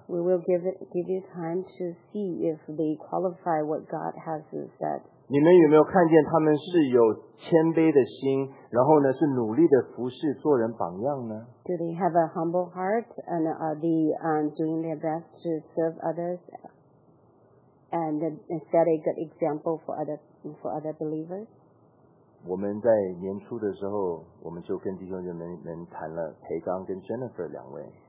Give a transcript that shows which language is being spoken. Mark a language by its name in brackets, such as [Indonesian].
[English] We will give you time to see if they qualify what God has said. [Chinese] 你们有没有看见他们是有谦卑的心，然后呢是努力的服侍做人榜样呢？ [English] Do they have a humble heart and are they doing their best to serve others and set a good example for other believers? [Chinese] 我们在年初的时候，我们就跟弟兄姐妹们谈了培刚跟 Jennifer 两位。